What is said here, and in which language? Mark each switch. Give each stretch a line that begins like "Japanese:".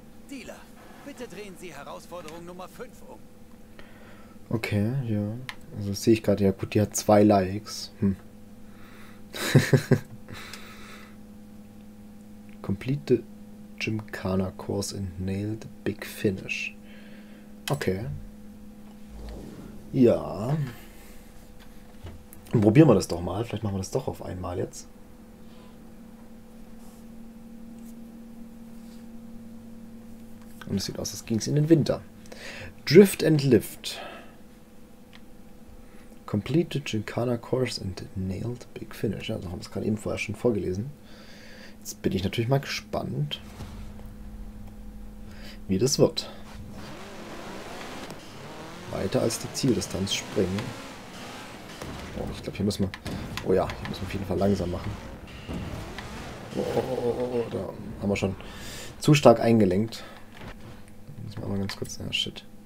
German: Dealer, bitte drehen Sie Herausforderung Nummer 5 um. Okay, ja. Also sehe ich gerade, ja gut, die hat 2 Likes.
English: Complete the Gymkhana Course and nail the big finish.
German: Okay. Ja. Probieren wir das doch mal. Vielleicht machen wir das doch auf einmal jetzt. Und es sieht aus, als ging es in den Winter.
English: Drift and Lift. Complete the Gymkhana Course and Nailed Big Finish.
German: Also haben wir es gerade eben vorher schon vorgelesen. Jetzt bin ich natürlich mal gespannt, wie das wird. weiter als die Zieldistanz springen. Oh, ich glaube, hier müssen wir. Oh ja, hier müssen wir auf jeden Fall langsam machen. Oh, da haben wir schon zu stark eingelenkt. Müssen wir mal ganz kurz. Ja, shit.